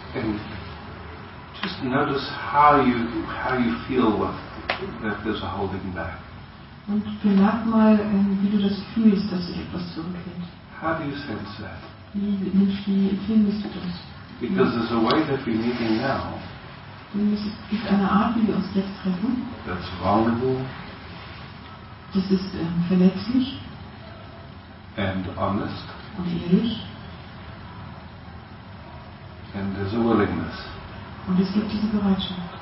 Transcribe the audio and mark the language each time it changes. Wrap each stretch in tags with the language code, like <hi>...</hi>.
<en>And just notice how you feel that there's a holding back.</en> <de>Und bemerk mal, wie du das fühlst, dass sich etwas zurückhält.</de> <en>How do you sense that?</en> <de>Wie empfindest du das?</de> <en>Because there's a way that we're meeting now.</en> <de>Und es gibt eine Art, wie wir uns jetzt treffen.</de> <en>That's vulnerable.</en> <de>Das ist verletzlich.</de> <en>And honest.</en> <de>Und ehrlich.</de> <en>And there's a willingness.</en> <de>Und es gibt diese Bereitschaft.</de>